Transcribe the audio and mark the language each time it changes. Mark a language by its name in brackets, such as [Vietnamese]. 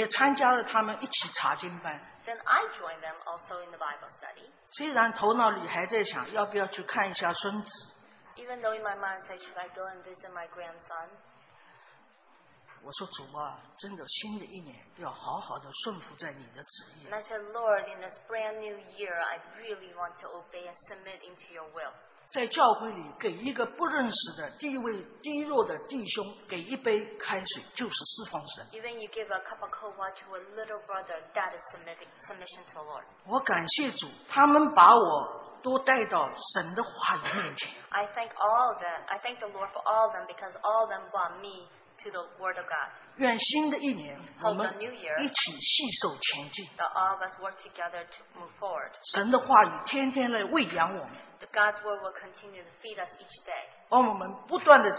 [Chinese] 我也参加了他们一起查经班。 [English] Then I join them also in the Bible study. [Chinese] 虽然头脑里还在想要不要去看一下孙子。 [English] Even though in my mind I say, should I go and visit my grandson? [Chinese] 我说主啊，真的新的一年要好好的顺服在你的旨意。 [English] And I said, Lord, in this brand new year, I really want to obey and submit into your will. [Chinese] 在教会里给一个不认识的地位低弱的弟兄给一杯开水，就是侍奉神。 [English] Even you give a cup of cold water to a little brother, that is submission to the Lord. [Chinese] 我感谢主，他们把我都带到神的话语面前。 [English] I thank all of them. I thank the Lord for all of them because all of them brought me to the Word of God. [Chinese] 愿新的一年我们一起携手前进。 [English] All of us work together to move forward. [Chinese] 神的话语天天来喂养我们。 [English] The God's Word will continue to feed us each day.